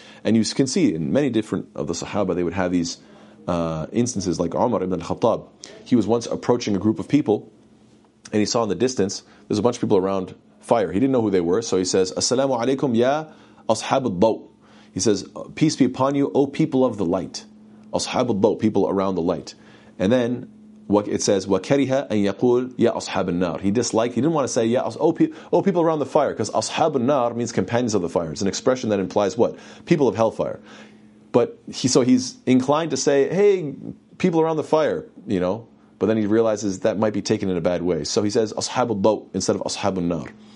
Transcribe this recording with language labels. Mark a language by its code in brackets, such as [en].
[en] And you can see in many different of the Sahaba, they would have these instances like Umar ibn al-Khattab. He was once approaching a group of people and he saw in the distance, there's a bunch of people around fire. He didn't know who they were. So he says, [ar] As-salamu alaykum ya ashab al-dawt. [en] He says, peace be upon you, O people of the light. Ashab al-dhaw, people around the light. And then it says, [ar] وَكَرِهَا أَن يَقُولْ يَا أَصْحَابُ النَّارِ. [en] He disliked, he didn't want to say, oh people around the fire, because ashab al-nar means companions of the fire. It's an expression that implies what? People of hellfire. But he's inclined to say, hey, people around the fire, you know. But then he realizes that might be taken in a bad way. So he says, ashab al-dhaw, instead of ashab al-nar.